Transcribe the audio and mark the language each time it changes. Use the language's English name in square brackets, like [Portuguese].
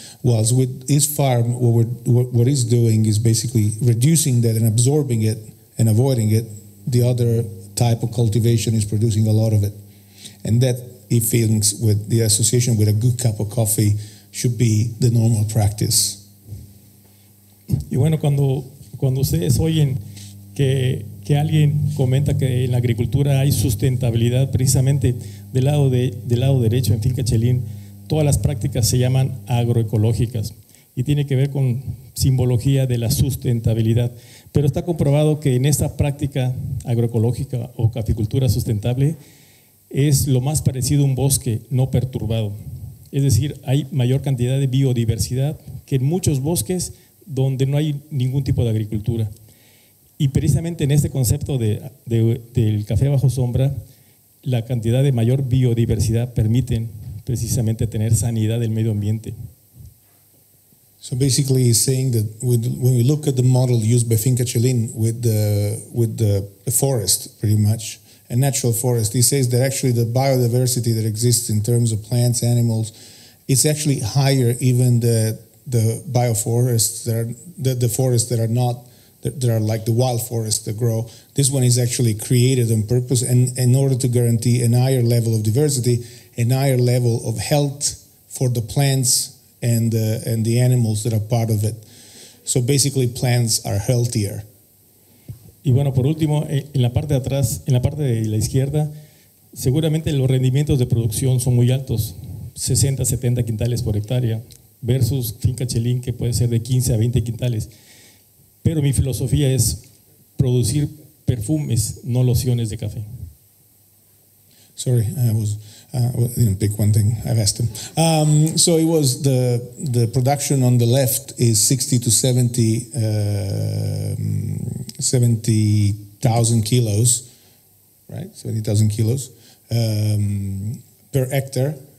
[English] Whilst with his farm, what he's doing is basically reducing that and absorbing it and avoiding it. The other type of cultivation is producing a lot of it. And that, he thinks, with the association with a good cup of coffee should be the normal practice. [Spanish] Y bueno, cuando ustedes oyen que alguien comenta que en la agricultura hay sustentabilidad, precisamente del lado derecho, en Finca Chelín, todas las prácticas se llaman agroecológicas y tiene que ver con simbología de la sustentabilidad. Pero está comprobado que en esta práctica agroecológica o caficultura sustentable es lo más parecido a un bosque no perturbado. Es decir, hay mayor cantidad de biodiversidad que en muchos bosques donde no hay ningún tipo de agricultura. Y precisamente en este concepto del café bajo sombra, la cantidad de mayor biodiversidad permiten precisamente tener sanidad del medio ambiente. [English] So basically he's saying that when we look at the model used by Finca Chelín with the forest, pretty much, a natural forest, he says that actually the biodiversity that exists in terms of plants, animals, is actually higher even the forests that are not that are like the wild forest that grow. This one is actually created on purpose and in order to guarantee an higher level of diversity, an higher level of health for the plants and the animals that are part of it. So basically, plants are healthier. [Spanish] Y bueno, por último, en la parte de atrás, en la parte de la izquierda, seguramente los rendimientos de producción son muy altos, 60, 70 quintales por hectárea, versus finca Chelín, que puede ser de 15 a 20 quintales. Pero mi filosofía es producir perfumes, no lociones de café. [English] Sorry, I didn't pick one thing. I've asked him. So it was the production on the left is 60 to 70,000 kilos, right? 70,000 kilos per hectare.